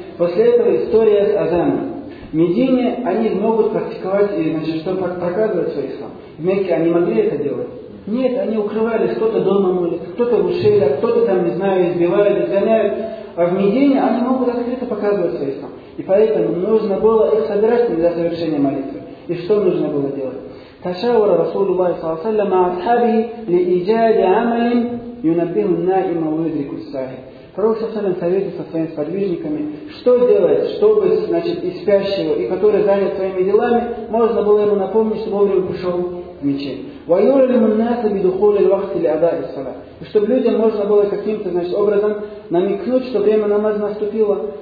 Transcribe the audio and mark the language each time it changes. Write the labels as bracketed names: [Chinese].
[Russian] После этого история с Азаном. В Медине они могут практиковать, значит, чтобы показывать свой ислам. В Мекке они могли это делать? Нет, они укрывались, кто-то дома молит, кто-то в ушеле, кто-то там, не знаю, избивает, изгоняет. А в Медине они могут открыто показывать свой ислам. И поэтому нужно было их собирать для совершения молитвы. И что нужно было делать? [Arabic] تشاور رسول الله صلى الله عليه وسلم مع أصحابه لإيجاد عمل ينبه النائم ويدرك الساهر. [Russian] Пророк Саусалям советовался со своими сподвижниками, что делать, чтобы, значит, и спящего, и который занят своими делами, можно было ему напомнить, чтобы вовремя пришел в мечеть. [Arabic] وَيُعْلِمُ النَّاسَ بِدُخُولِ الْوَقْتِ لِأَدَاءِ الصَّلَاةِ. [Russian] Чтобы людям можно было каким-то, значит, образом намекнуть, что время намаза наступило.